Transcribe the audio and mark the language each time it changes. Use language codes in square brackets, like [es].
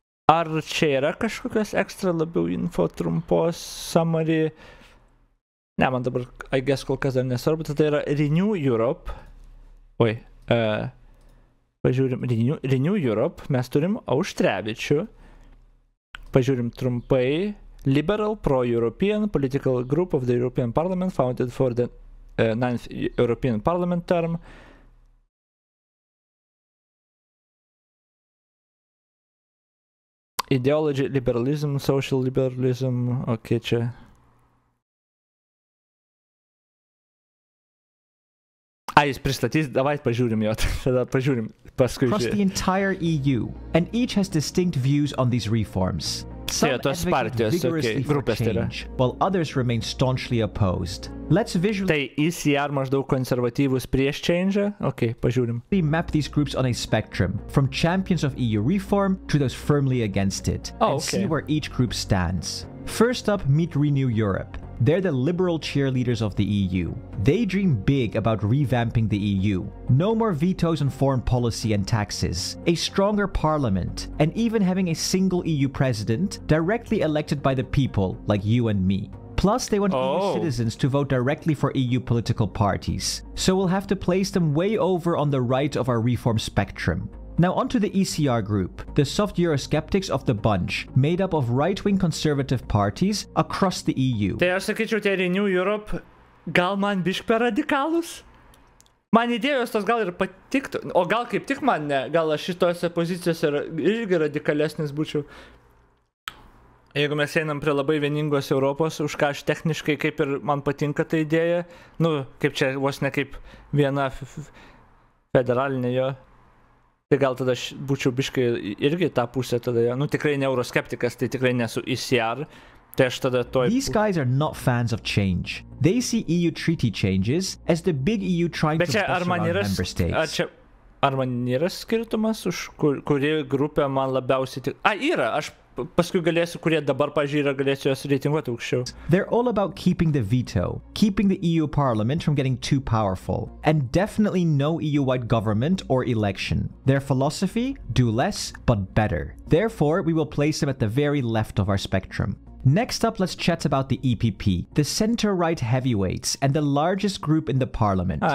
[lt] Ar čia yra kažkokios ekstra labiau info trumpos summary? Ne, man dabar, [en] I guess, [lt] kol kas dar nesvarbu, tai yra Renew Europe. Oi, pažiūrim, Renew Europe, mes turim Auštrevičių. Pažiūrim trumpai, [en] Liberal Pro-European Political Group of the European Parliament, founded for the 9th European Parliament term. Ideology, liberalism, social liberalism, ok, čia. [lt] A, jis pristatys, davai pažiūrim jo, tada pažiūrim, paskui žiūrėjau. [en] Across the entire EU, and each has distinct views on these reforms. Some advocate vigorously for change, while others remain staunchly opposed. Let's visually... [lt] Tai ECR maždaug konservatyvus prieš change'ą? Ok, pažiūrim. [en] We map these groups on a spectrum, from champions of EU reform to those firmly against it, oh, and see where each group stands. First up, meet Renew Europe. They're the liberal cheerleaders of the EU. They dream big about revamping the EU. No more vetoes on foreign policy and taxes. A stronger parliament. And even having a single EU president directly elected by the people, like you and me. Plus, they want EU citizens to vote directly for EU political parties. So we'll have to place them way over on the right of our reform spectrum. Now onto the ECR group, the soft Euroskeptics of the bunch, made up of right-wing conservative parties across the EU. [lt] Tai aš sakyčiau, tie Renew Europe, gal man biški per radikalus? Man idėjos tos gal ir patiktų, o gal kaip tik man ne, gal aš šitose pozicijose irgi radikalesnis būčiau. Jeigu mes einam prie labai vieningos Europos, už ką aš techniškai kaip ir man patinka ta idėja, nu, kaip čia vos ne kaip viena federalinė jo... Tai gal tada aš būčiau biškai irgi tą pusę tada, nu tikrai ne euroskeptikas, tai tikrai nesu ECR, tai aš tada toj... [en] These guys are not fans of change. They see EU treaty changes as the big EU trying [lt] bet [en] to push around member states. [lt] Ar čia, ar man yra skirtumas, už kuri grupė man labiausiai tik... A, yra, aš paskui galėsiu, kurie dabar, pažiūrėjau, yra galėsiu jos reitinguoti aukščiau. [en] They're all about keeping the veto, keeping the EU parliament from getting too powerful, and definitely no EU-wide government or election. Their philosophy? Do less, but better. Therefore, we will place them at the very left of our spectrum. Next up, let's chat about the EPP, the center-right heavyweights, and the largest group in the parliament.